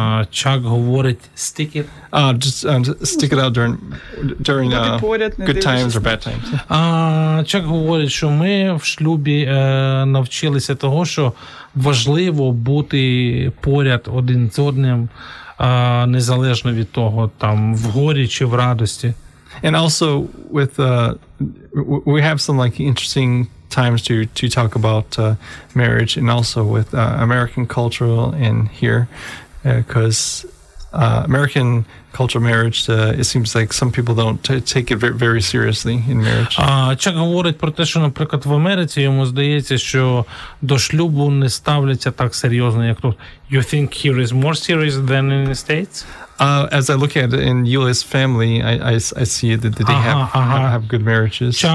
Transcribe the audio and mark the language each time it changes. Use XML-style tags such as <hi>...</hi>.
<uk>Чак говорить stick it.</uk> <en>Stick it out during good times or bad times.</en> <uk>Чак говорить, що ми в шлюбі навчилися того, що важливо бути поряд один з одним, незалежно від того, там в горі чи в радості.</uk> <en>And also with we have some like interesting times to talk about marriage and also with American culture in here because American culture marriage it seems like some people don't take it very seriously in marriage.</en> <uk>Чак говорить про те, що наприклад в Америці йому здається, що до шлюбу не ставляться так серйозно, як тут. You think here is more serious than in the States?</uk> <en>As I look at it in Юлія's family, I see that they have good marriages.</en>